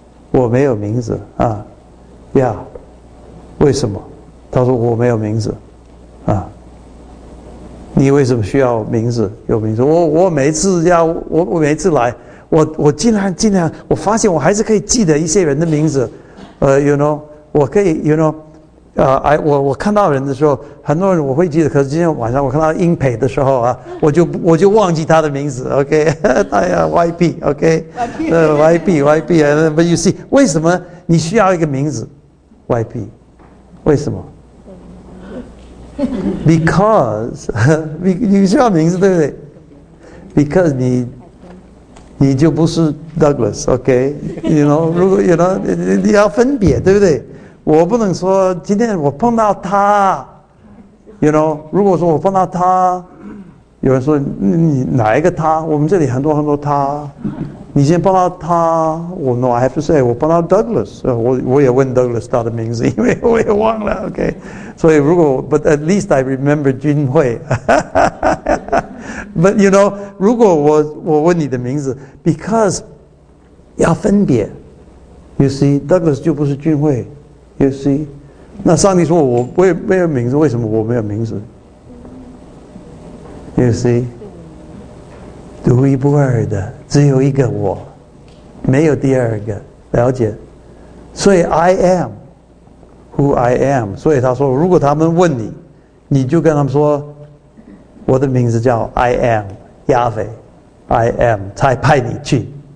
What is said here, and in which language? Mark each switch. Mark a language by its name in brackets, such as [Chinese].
[Chinese] 我没有名字啊，呀、yeah ，为什么？他说我没有名字啊。你为什么需要名字？有名字？我每次要我每次来，我尽量，我发现我还是可以记得一些人的名字。 You know， 我可以 ，you know。我看到人的时候，很多人我会记得，可是今天晚上我看到英培的时候啊，我就忘记他的名字 ，OK， 他叫 YP，OK，YP，YP， 那 [English] but you see， [Chinese] 为什么你需要一个名字 ，YP， 为什么？ [English] Because， [Chinese] 你需要名字对不对 ？Because 你就不是 Douglas，OK，、okay? you know， 如果 you know， 你要分别对不对？我不能说今天我碰到他 ，you know。如果说我碰到他，有人说你哪一个他？我们这里很多很多他。你先碰到他，我 [English] no， I have to say [Chinese] 我碰到 Douglas， 我也问 Douglas 他的名字，因为我也忘了 ，OK。所以如果 [English] but at least I remember [Chinese] 君慧。 but you know， 如果我问你的名字 ，because 要分别 ， [English] you see [Chinese] Douglas 就不是君慧。You see，那上帝说我没有名字，为什么我没有名字？ You see， 独一无二的只有一个我，没有第二个，了解？ [English] 所以 I am who I am。 [Chinese] 所以他说如果他们问你，你就跟他们说我的名字叫 I am 亚非， I am 才派你去。